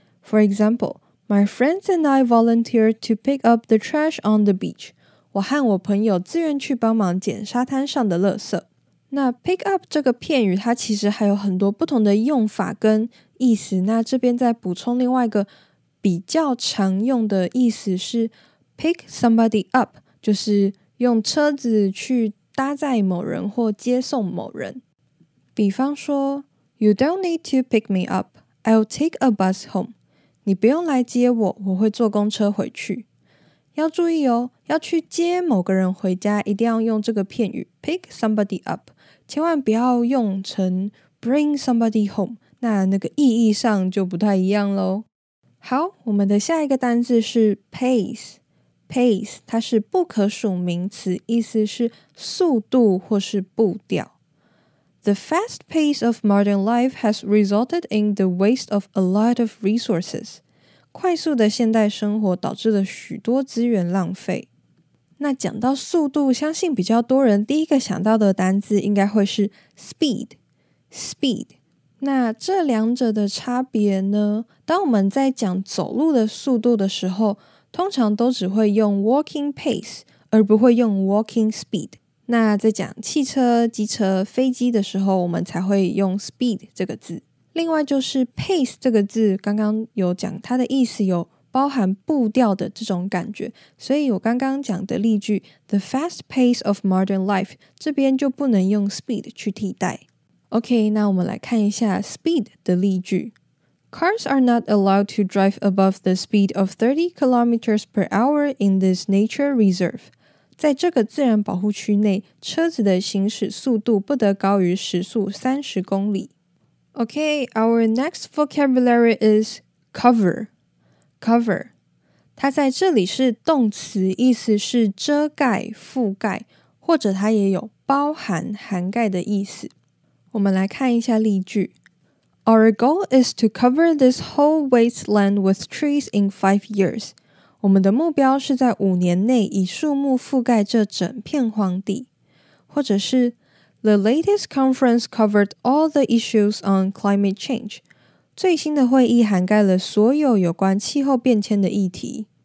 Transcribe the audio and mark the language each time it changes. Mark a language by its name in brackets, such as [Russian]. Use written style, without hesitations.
[English] For example, my friends and I volunteered to pick up the trash on the beach. [Chinese] 我和我朋友自愿去帮忙捡沙滩上的垃圾。那 pick up 这个片语它其实还有很多不同的用法跟意思，那这边再补充另外一个比较常用的意思是 [English] pick somebody up, [Chinese] 就是用车子去搭载某人或接送某人。比方说 [English] You don't need to pick me up, I'll take a bus home. [Chinese] 你不用来接我，我会坐公车回去。要注意哦，要去接某个人回家一定要用这个片语 [English] pick somebody up, [Chinese] 千万不要用成 [English] bring somebody home, [Chinese] 那个意义上就不太一样咯。好，我们的下一个单字是 pace。 pace 它是不可数名词，意思是速度或是步调。 [English] The fast pace of modern life has resulted in the waste of a lot of resources. [Chinese] 快速的现代生活导致了许多资源浪费。那讲到速度，相信比较多人第一个想到的单字应该会是 speed。 speed 那这两者的差别呢，当我们在讲走路的速度的时候，通常都只会用 [English] walking pace [Chinese] 而不会用 [English] walking speed。 [Chinese] 那在讲汽车、机车、飞机的时候，我们才会用 speed 这个字。另外就是 pace 这个字，刚刚有讲它的意思有包含步调的这种感觉，所以我刚刚讲的例句 [English] The fast pace of modern life [Chinese] 这边就不能用 speed 去替代。 OK, 那我们来看一下 speed 的例句。 [English] Cars are not allowed to drive above the speed of 30 kilometers per hour in this nature reserve. [Chinese] 在这个自然保护区内，车子的行驶速度不得高于时速30公里。 [English] Okay, our next vocabulary is cover. [Chinese] Cover, 它在这里是动词，意思是遮盖、覆盖，或者它也有包含、涵盖的意思。我们来看一下例句。 [English] Our goal is to cover this whole wasteland with trees in 5 years. [Chinese] 我们的目标是在五年内以树木覆盖这整片荒地。或者是 [English] The latest conference covered all the issues on climate change. [Chinese] 最新的会议涵盖了所有有关气候变迁的议题。